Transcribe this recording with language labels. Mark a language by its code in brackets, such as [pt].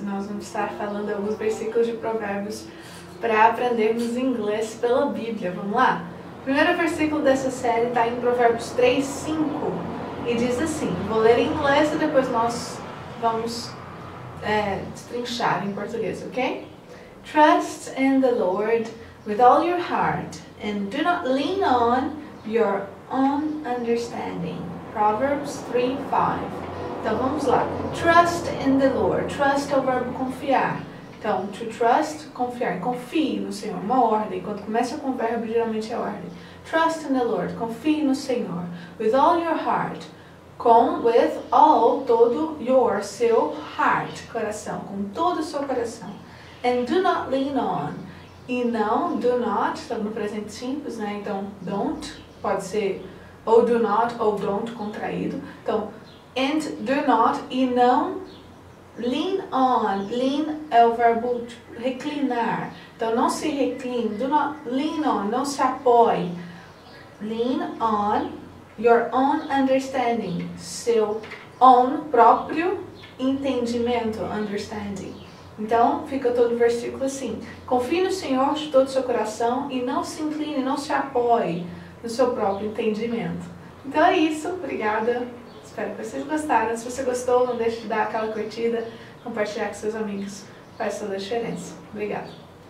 [pt] Nós vamos estar falando alguns versículos de provérbios para aprendermos inglês pela Bíblia. Vamos lá? O primeiro versículo dessa série está em Provérbios 3, 5 e diz assim: vou ler em inglês e depois nós vamos destrinchar em português, ok? [en] Trust in the Lord with all your heart and do not lean on your own understanding. Proverbs 3, 5. [pt] Então vamos lá. [en] Trust in the Lord. [pt] Trust é o verbo confiar. Então, to trust, confiar. Confie no Senhor. Uma ordem. Quando começa com o verbo, geralmente é ordem. [en] Trust in the Lord. [pt] Confie no Senhor. [en] With all your heart. With all, todo your, seu heart, coração. [pt] Com todo o seu coração. [en] And do not lean on. [pt] E não, do not, estamos no presente simples, né? Então, don't, pode ser ou do not ou don't contraído. [en] Então, and do not [pt] e não [en] lean on. [pt] Lean é o verbo reclinar. Então, não se recline. [en] Do not lean on, [pt] não se apoie. [en] Lean on your own understanding. [pt] Seu own próprio entendimento. Understanding. Então, fica todo o versículo assim: confie no Senhor de todo o seu coração e não se incline, não se apoie no seu próprio entendimento. Então é isso, obrigada. Espero que vocês gostaram. Se você gostou, não deixe de dar aquela curtida, compartilhar com seus amigos. Faz toda a diferença. Obrigada.